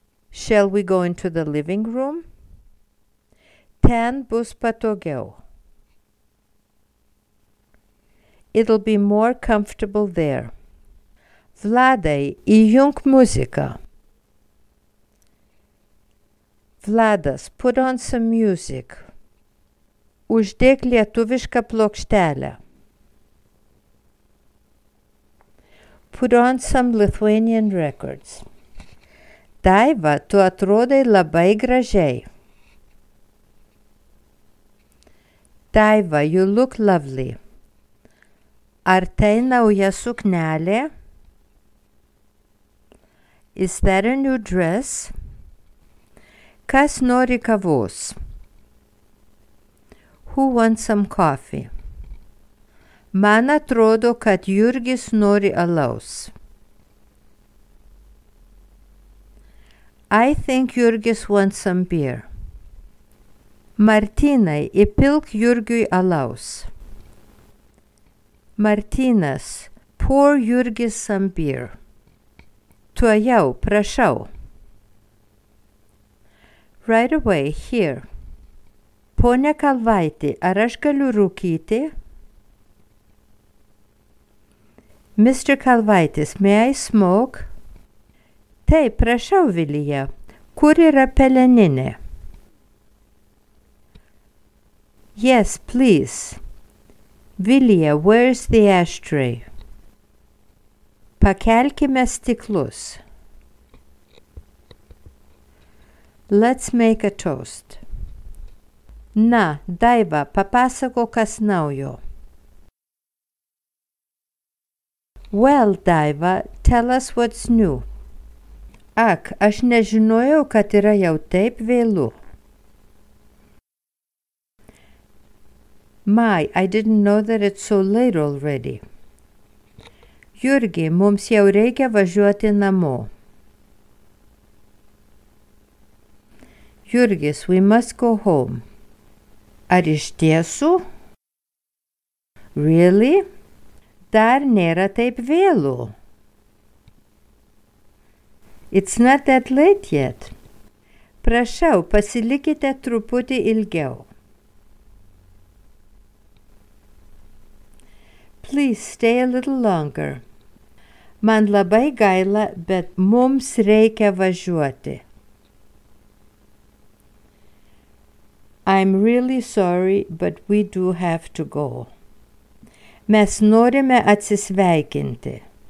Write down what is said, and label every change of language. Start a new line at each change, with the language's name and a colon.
English: Shall we go into the living room?
Lithuanian: Ten bus patogiau.
English: It'll be more comfortable there.
Lithuanian: Vladai, įjunk muziką.
English: Vladas, put on some music.
Lithuanian: Uždėk lietuvišką plokštelę.
English: Put on some Lithuanian records.
Lithuanian: Daiva, tu atrodai labai gražiai.
English: Daiva, you look lovely.
Lithuanian: Ar tai nauja suknelė?
English: Is that a new dress?
Lithuanian: Kas nori kavos?
English: Who wants some coffee?
Lithuanian: Man atrodo, kad Jurgis nori alaus.
English: I think Jurgis wants some beer.
Lithuanian: Martynai, įpilk Jurgiui alaus.
English: Martynas, pour Jurgis some beer.
Lithuanian: Tuojau, prašau.
English: Right away, here.
Lithuanian: Pone Kalvaiti, ar aš galiu rūkyti?
English: Mr. Kalvaitis, may I smoke?
Lithuanian: Taip, prašau, Vilija. Kur yra peleninė?
English: Yes, please. Vilija, where is the ashtray?
Lithuanian: Pakelkime stiklus.
English: Let's make a toast.
Lithuanian: Na, Daiva, papasako kas naujo.
English: Well, Daiva, tell us what's new.
Lithuanian: Ak, aš nežinojau, kad yra jau taip vėlu.
English: My, I didn't know that it's so late already.
Lithuanian: Jurgi, mums jau reikia važiuoti namo.
English: Jurgis, we must go home.
Lithuanian: Ar iš tiesų?
English: Really?
Lithuanian: Dar nėra taip vėlu.
English: It's not that late yet.
Lithuanian: Prašau, pasilikite truputį ilgiau.
English: Please stay a little longer.
Lithuanian: Man labai gaila, bet mums reikia važiuoti.
English: I'm really sorry, but we do have to go.
Lithuanian: Mes norime atsisveikinti.